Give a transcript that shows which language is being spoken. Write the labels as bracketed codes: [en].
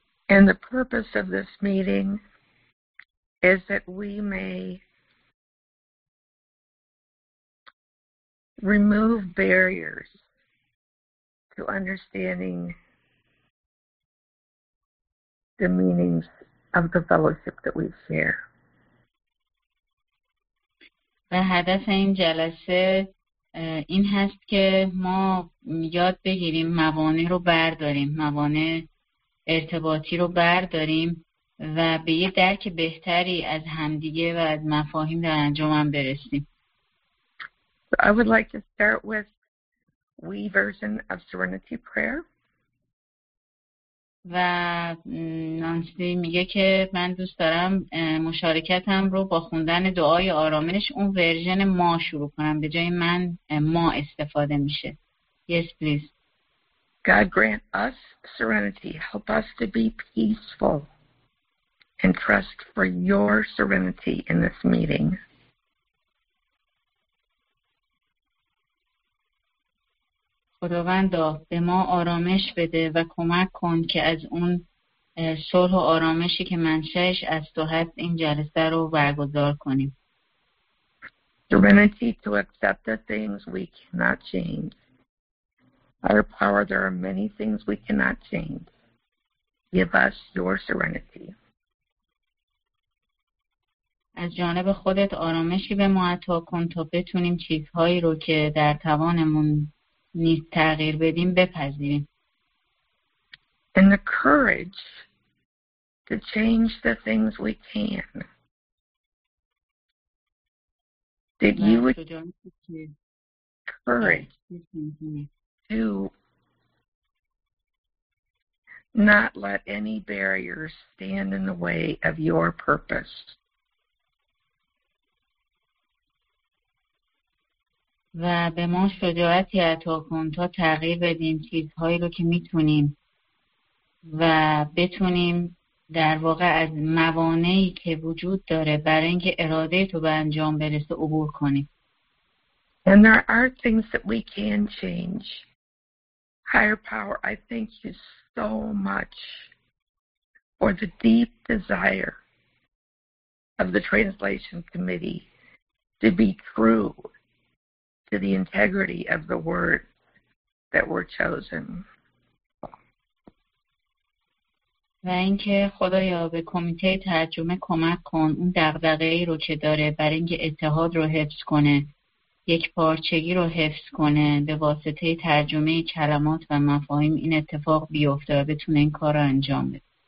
[en] And the purpose of this meeting is that we may remove barriers to understanding the meanings of the fellowship that we share. The [fa] هدف این جلسه این هست که ما یاد بگیریم موانع رو برداریم، موانع ارتباطی رو برداریم و به یه درک بهتری از همدیگه و از مفاهیم در انجمن برسیم. [en] So I would like to start with we version of serenity prayer. [fa] و نانسی میگه که من دوست دارم مشارکتم رو با خوندن دعای آرامش اون ورژن ما شروع کنم. به جای من ما استفاده میشه. [en] Yes, please. God grant us serenity. Help us to be peaceful and trust for your serenity in this meeting. [fa] خداوندا به ما آرامش بده و کمک کن که از اون صلح و آرامشی که منشأش از تو هست این جلسه رو برگزار کنیم. [en] Serenity to accept the things we cannot change. Our power, there are many things we cannot change. Give us your serenity. [fa] از جانب خودت آرامشی به ما عطا کن تا بتونیم چیزهایی رو که در توانمون نیست تغییر بدیم بپذیریم. [en] And the courage to change the things we can. That you would courage to not let any barriers stand in the way of your purpose. [fa] و به ما شجاعتی عطا کن تا تغییر بدیم چیزهایی رو که میتونیم و بتونیم در واقع از موانعی که وجود داره برای اینکه اراده تو به انجام برسه عبور کنیم. [en] And there are things that we can change. Higher power, I thank you so much for the deep desire of the translation committee to be true to the integrity of the word that were chosen. [fa] و اینکه خدایا به کمیته ترجمه کمک کن اون دغدغه‌ای رو که داره برای اینکه اتحاد رو حفظ کنه، یک پارچگی رو حفظ کنه به واسطه ترجمه کلمات و مفاهیم این اتفاق بیفته و بتونه این کار رو انجام بده.